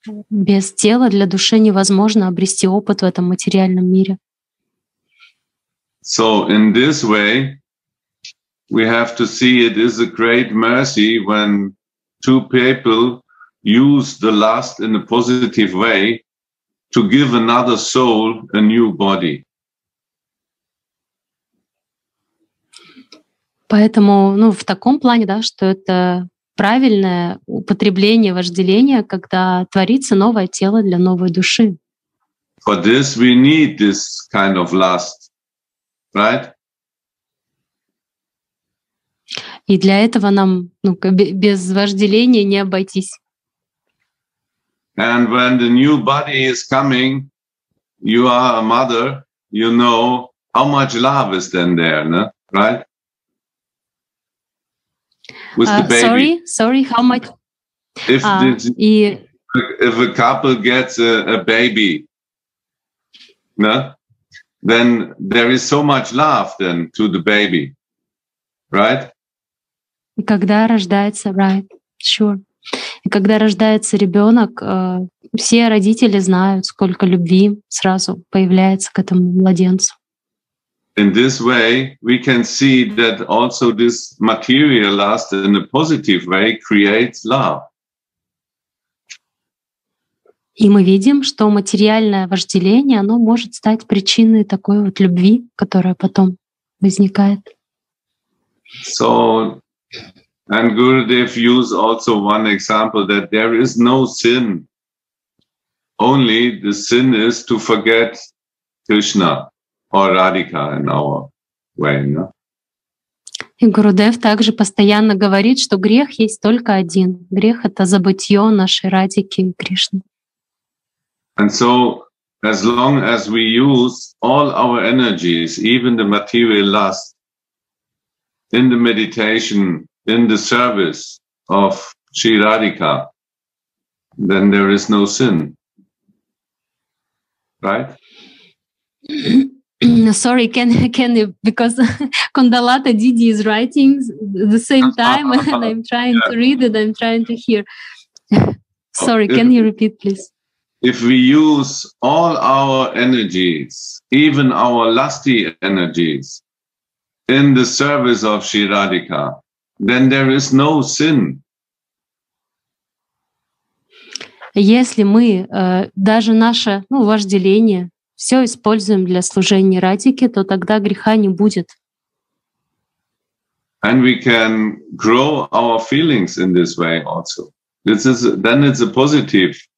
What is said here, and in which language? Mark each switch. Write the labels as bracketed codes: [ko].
[ru] Без тела для души невозможно обрести опыт в этом материальном мире. [en] So in this way, we have to see it is a great mercy when two people use the lust in a positive way to give another soul a new body. [ru] Поэтому, ну, в таком плане, да, что это правильное употребление вожделения, когда творится новое тело для новой души. [en] For this we need this kind of lust, right? [ru] И для этого нам, ну, без вожделения не обойтись. [en] And when the new body is coming, you are a mother, you know how much love is then there, no? Right? With the baby. Sorry, how much? If a couple gets a baby, no, then there is so much love then to the baby, right? [ru] И когда рождается, [en] right, sure. [ru] И когда рождается ребенок, все родители знают, сколько любви сразу появляется к этому младенцу. [en] In this way, we can see that also this material lust in a positive way creates love. [ru] И мы видим, что материальное вожделение, оно может стать причиной такой вот любви, которая потом возникает. [en] So, and Gurudev used also one example that there is no sin. Only the sin is to forget Krishna. Or Radhika in our way, no? [ru] И Гурудев также постоянно говорит, что грех есть только один. Грех — это забытье нашей Радхики и Кришны. [en] And so, as long as we use all our energies, even the material lust, in the meditation, in the service of Sri Radhika, then there is no sin. Right? Sorry, can you, because Kundalata Didi is writing at the same time and I'm trying to read it, I'm trying to hear. Sorry, can you repeat, please? If we use all our energies, even our lusty energies, in the service of Sri Radhika, then there is no sin. [ru] Если мы, даже наше, ну, вожделение, все используем для служения Радхике, то тогда греха не будет. [en] And we can grow our feelings in this way also. This is, then it's a positive